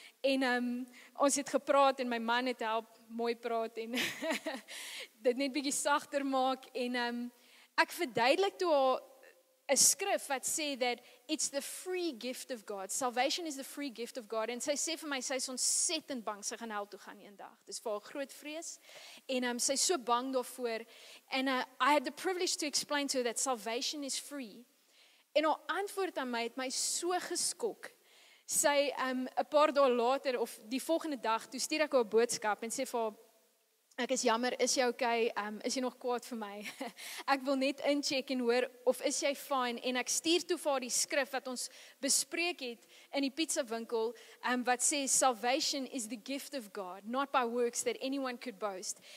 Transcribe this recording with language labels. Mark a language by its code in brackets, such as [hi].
[af] En ons het gepraat, en my man het help mooi praat, en dit net bietjie sagter maak, en ek verduidelik toe al, a skrif wat sê [en] that it's the free gift of God. Salvation is the free gift of God. [af] En sy sê vir my, sy is ontsettend bang, sy gaan hel toe gaan een dag. Dis vir haar groot vrees. En sy is so bang daarvoor. [en] And I had the privilege to explain to her that salvation is free. [af] En haar antwoord aan my het my so geskok. Sy, a paar dae later, of die volgende dag, toe stuur ek haar boodskap en sê vir haar, ek is jammer, is jy okay, is jy nog kwaad vir my? Ek wil net incheck en hoor, of is jy fine? En ek stuur toe vir die skrif wat ons bespreek het in die pizza winkel, wat sê, [en] salvation is the gift of God, not by works that anyone could boast.